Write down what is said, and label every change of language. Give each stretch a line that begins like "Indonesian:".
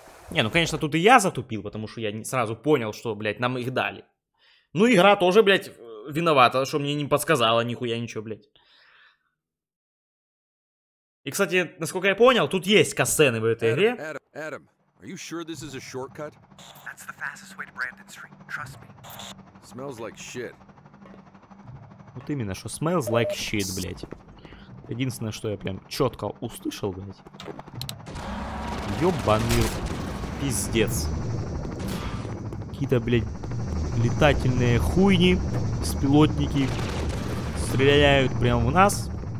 Russian: Не, ну, конечно, тут и я затупил, потому что я не сразу понял, что, блядь, нам их дали. Ну, игра тоже, блядь, виновата, что мне не подсказала нихуя ничего, блядь. И, кстати, насколько я понял, тут есть кассены в этой игре.
English: Adam, are you sure this is a shortcut? That's the fastest way to Brandon Street, trust me. Smells like shit.
Russian: Вот именно, что
English: smells like shit,
Russian: блядь. Единственное, что я прям четко услышал, блядь. Ёбаный пиздец. Какие-то, блядь, летательные хуйни, беспилотники стреляют прямо в нас.